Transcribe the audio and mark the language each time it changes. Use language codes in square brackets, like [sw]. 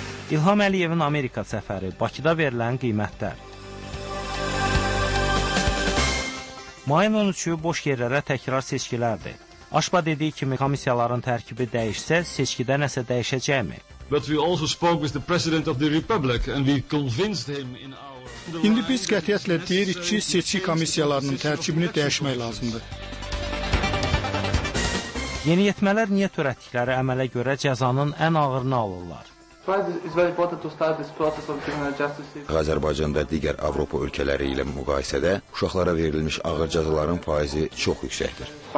[az] İlham Əliyevin Amerika səfəri, Bakıda verilən qiymətlər. Mayın 13-ü boş yerlərə təkrar seçkilərdir. Aşba dediyi kimi komissiyaların tərkibi dəyişsə, seçkidə nəsə dəyişəcəkmi? [en] But we also spoke with the President of the Republic and we convinced him in our... [az] İndi biz qətiyyətlə deyirik ki, seçki komissiyalarının tərkibini dəyişmək lazımdır. Yeni yetmələr niyə törətdikləri əmələ görə cəzanın ən ağırını alırlar? Azərbaycanda digər Avropa ölkələri ilə müqayisədə uşaqlara verilmiş ağır cəzaların faizi çox yüksəkdir.